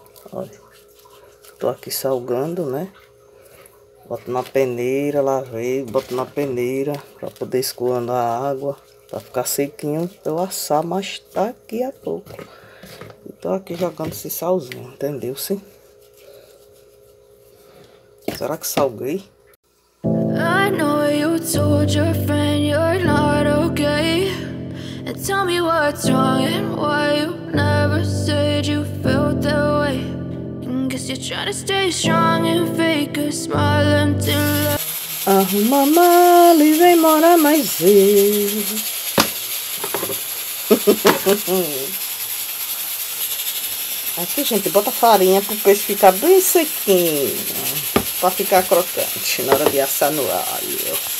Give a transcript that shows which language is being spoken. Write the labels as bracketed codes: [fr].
[pt] Olha, tô aqui salgando, né? Boto na peneira, lavei, boto na peneira para poder escoando a água, para ficar sequinho, pra eu assar, mas tá aqui a pouco. Tô aqui jogando esse salzinho, entendeu, sim? Será que salguei? [en] I know you told your friend you're not okay. And tell me what's wrong and why you never said you felt that way. And guess you're trying to stay strong and fake a smile until I... [pt] Arruma a mala e vem morar mais eu. Aqui, gente, bota farinha pro peixe ficar bem sequinho, pra ficar crocante na hora de assar no alho.